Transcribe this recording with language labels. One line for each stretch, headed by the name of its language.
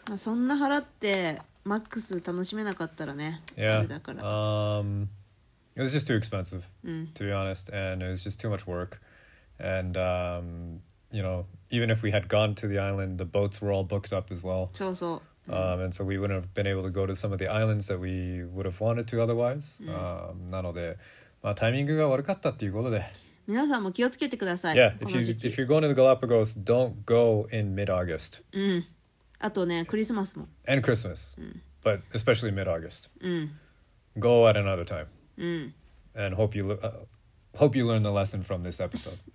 Japanese: まあ、そんな払ってマックス楽しめなかったらね。
English: Yeah.
Japanese: だから。
English: It was just too expensive, to be honest, and it was just too much work. And, you know, even if we had gone to the island, the boats were all booked up as well.
Japanese: そうそう。
English: And so we wouldn't have been able to go to some of the islands that we would have wanted to otherwise.
Japanese: なので、まあ、タイミングが悪かったっていうことで。皆さんも気をつけてください。
English: Yeah, if you're going to the Galapagos, don't go in mid-August.
Japanese: あとね、クリスマスも。
English: And Christmas. But especially mid-August. Go at another time. And hope you learn the lesson from this episode.